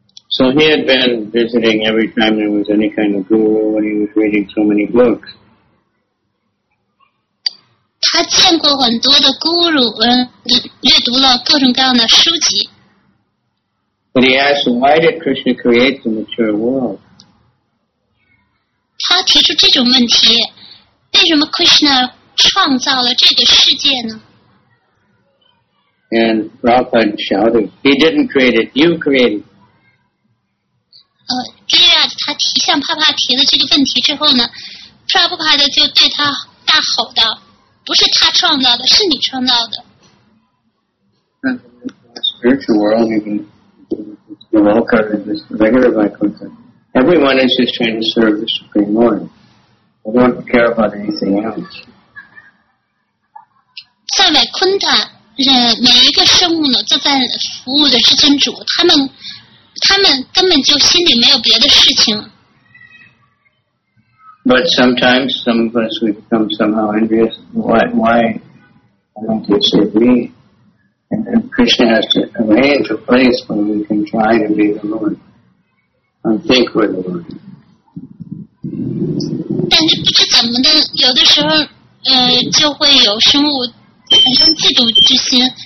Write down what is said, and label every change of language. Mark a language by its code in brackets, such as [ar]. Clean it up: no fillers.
[en] So he had been visiting every time there was any kind of guru when he was reading so many books. [zh] 他见过很多的 guru, 阅读了各种各样的书籍。 [en] But he asked, why did Krishna create the material world? [zh] 他提出这种问题，为什么 Krishna 创造了这个世界呢？ [en] And Prabhupada shouted, he didn't create it, you created it. [zh] Giriraj 他提向帕帕提了这个问题之后呢， Prabhupada 就对他大吼道，不是他创造的，是你创造的。 [en] Spiritual world, you can. The Loka is just regular Vaikuntha. Everyone is just trying to serve the Supreme Lord. They don't care about anything else. [zh] 在外昆塔，每一个生物呢，都在服务的至尊主。他们根本就心里没有别的事情。 [en] But sometimes some of us we become somehow envious. Why? Why don't they serve me? And Krishna has to arrange a place where we can try to be the Lord and think we're the Lord. [zh] 但是不知怎么的，有的时候，就会有生物产生嫉妒之心。